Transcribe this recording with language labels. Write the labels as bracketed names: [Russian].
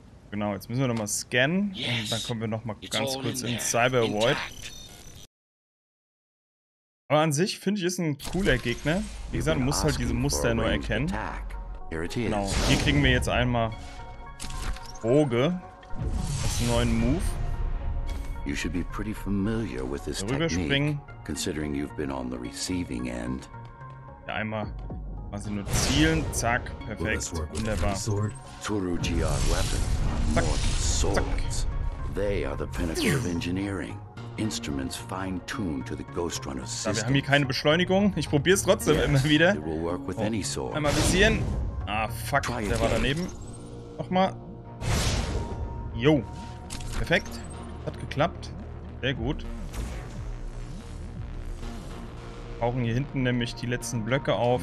[German] Genau, jetzt müssen wir nochmal scannen. Und dann kommen wir nochmal ganz kurz in Cyber Void. Aber an sich finde ich, ist ein cooler Gegner. Wie gesagt, du musst halt diese Muster nur erkennen. Genau, hier kriegen wir jetzt einmal Oge als neuen Move. Rüberspringen. [English] Considering you've been on the receiving end. [German] Ja, einmal. Also nur zielen, zack, perfekt, wunderbar. Turujiad [English] weapon, more swords. They are the pinnacle of engineering. Instruments fine-tuned to the Ghost Runner system. [German] Ja, wir haben hier keine Beschleunigung. Ich probiere es trotzdem immer wieder. Oh. Einmal visieren. Ah, fuck, der war daneben. Nochmal. Jo, perfekt, hat geklappt. Sehr gut. Wir brauchen hier hinten nämlich die letzten Blöcke auf.